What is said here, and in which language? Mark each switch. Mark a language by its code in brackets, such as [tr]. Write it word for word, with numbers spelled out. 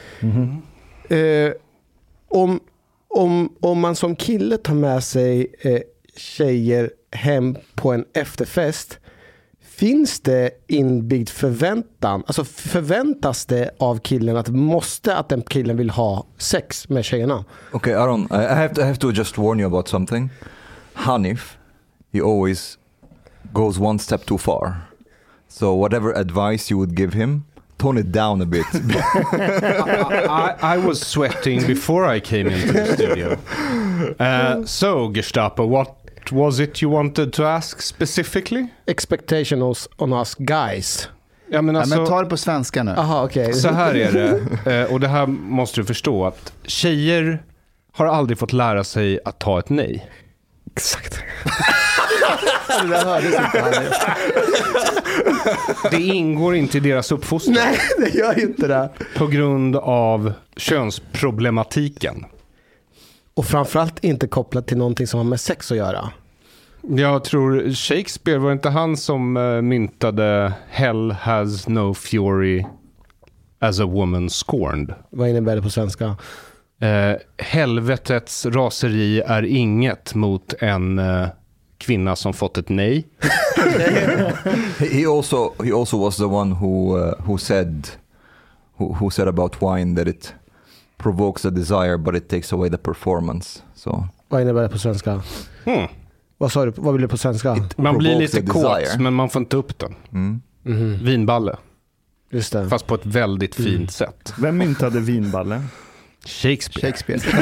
[sv] Mm-hmm. Eh, om Om, om man som kille tar med sig eh, tjejer hem på en efterfest, finns det inbyggd förväntan? Alltså förväntas det av killen att måste att den killen vill ha sex med tjejerna? [en] Okej, okay, Aron, I have, to, I have to just warn you about something. Hanif, he always goes one step too far. So whatever advice you would give him, tone it down a bit. I, I, I was sweating before I came into the studio. Uh, so, Gestapo, what was it you wanted to ask specifically? Expectations on us guys. [sv] Ja, men, alltså, ja, men ta det på svenska nu. Aha, okay. Så här är det, och det här måste du förstå, att tjejer har aldrig fått lära sig att ta ett nej. Exakt. Det ingår inte i deras uppfostran. Nej, det gör inte det. På grund av könsproblematiken. Och framförallt inte kopplat till någonting som har med sex att göra. Jag tror Shakespeare, var inte han som myntade [en] Hell has no fury as a woman scorned? [sv] Vad innebär det på svenska? Eh, helvetets raseri är inget mot en... Eh, kvinna som fått ett nej. [en] he also he also was the one who uh, who said who, who said about wine that it provokes a desire but it takes away the performance. So. [sv] Vad innebär det på svenska? Mm. Vad sa du? Vad blir det på svenska? It man blir lite kåt men man får inte upp den. Mm. Mm-hmm. Vinballe. Just det. Fast på ett väldigt fint mm. sätt. Vem myntade vinballe? Shakespeare. Shakespeare.